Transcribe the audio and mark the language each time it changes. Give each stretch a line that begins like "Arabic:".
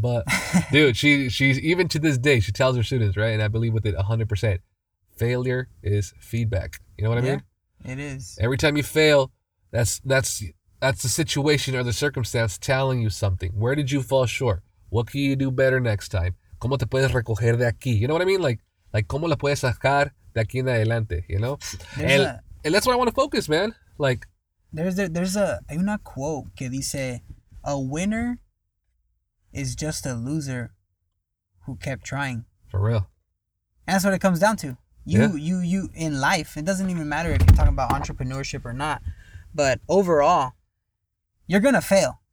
English: But, dude, she's even to this day, she tells her students, right? And I believe with it 100%, failure is feedback. You know what I mean? It is. Every time you fail, that's the situation or the circumstance telling you something. Where did you fall short? What can you do better next time?
Spanish: ¿Cómo te puedes recoger de aquí?
English: You know what I mean?
Spanish: Like ¿cómo la puedes sacar de aquí en adelante?
English: You know? And that's where I want to focus, man. Like, there's a quote
Spanish: que dice,
English: a winner is just a loser who kept trying. For real. And that's what it comes down to. You in life, it doesn't even matter if you're talking about entrepreneurship or not, but overall, you're going to fail.